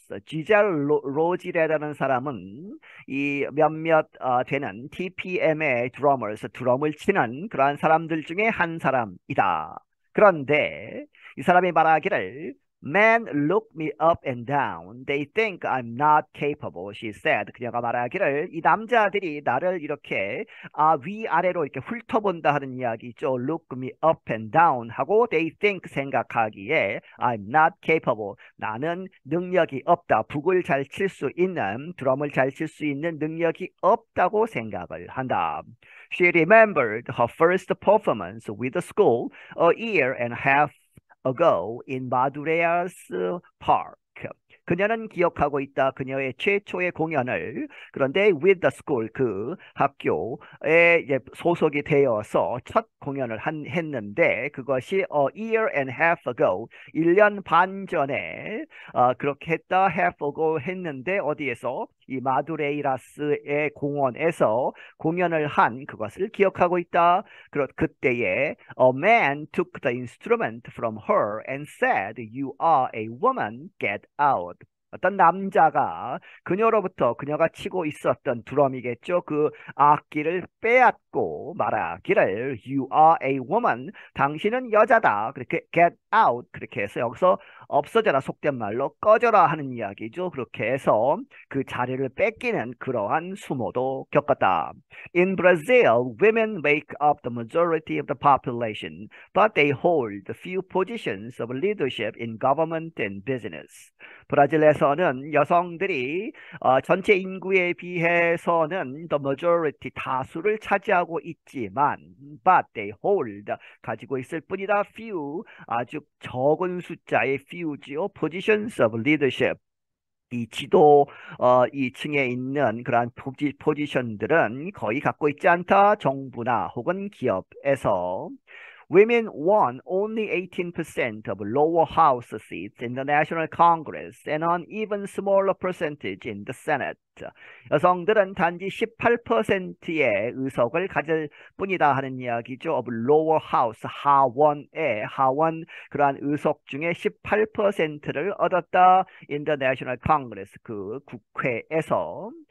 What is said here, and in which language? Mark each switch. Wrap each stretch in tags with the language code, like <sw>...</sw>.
<ko>Giselle Rodriguez라는 사람은 이 몇몇 되는 TPM의 drummers, 드럼을 치는 그러한 사람들 중에 한 사람이다. 그런데 이 사람이 말하기를</ko> <en>Men look me up and down. They think I'm not capable, she said.</en> <ko>그녀가 말하기를 이 남자들이 나를 이렇게 위아래로 이렇게 훑어본다 하는 이야기죠.</ko> <en>Look me up and down</en> <ko>하고</ko> <en>they think</en> <ko>생각하기에</ko> <en>I'm not capable.</en> <ko>나는 능력이 없다. 북을 잘칠수 있는 드럼을 잘칠수 있는 능력이 없다고 생각을 한다.</ko> <en>She remembered her first performance with the school a year and a half ago in Madureira's Park.</en> <ko>그녀는 기억하고 있다. 그녀의 최초의 공연을 그런데</ko> <en>with the school</en> <ko>그 학교에 이제 소속이 되어서 첫 공연을 했는데 그것이</ko> <en>a year and half ago</en> <ko>1년 반 전에 그렇게 했다.</ko> <en>half ago</en> <ko>했는데 어디에서 이 마두레이라스의 공원에서 공연을 한 그것을 기억하고 있다. 그때에</ko> <en>a man took the instrument from her and said, "You are a woman, get out."</en> <ko>어떤 남자가 그녀로부터 그녀가 치고 있었던 드럼이겠죠. 그 악기를 빼앗고 말하기를</ko> <en>You are a woman.</en> <ko>당신은 여자다. 그렇게</ko> <en>get out.</en> <ko>그렇게 해서 여기서 없어져라. 속된 말로 꺼져라 하는 이야기죠. 그렇게 해서 그 자리를 뺏기는 그러한 수모도 겪었다.</ko> <en>In Brazil, women make up the majority of the population, but they hold few positions of leadership in government and business.</en> <ko>브라질에서는 여성들이 전체 인구에 비해서는</ko> <en>the majority</en> <ko>다수를 차지하고 있지만</ko> <en>but they hold</en> <ko>가지고 있을 뿐이다. few 아주 적은 숫자의 few지요.</ko> <en>positions of leadership</en> <ko>이 지도 2층에 있는 그러한 포지션들은 거의 갖고 있지 않다. 정부나 혹은 기업에서</ko> <en>Women won only 18% of lower house seats in the National Congress and an even smaller percentage in the Senate.</en> <ko>여성들은 단지 18%의 의석을 가질 뿐이다 하는 이야기죠.</ko> <en>Of lower house,</en> <ko>하원의 하원 그러한 의석 중에 18%를 얻었다.</ko> <en>In the National Congress,</en> <ko>그 국회에서.</ko>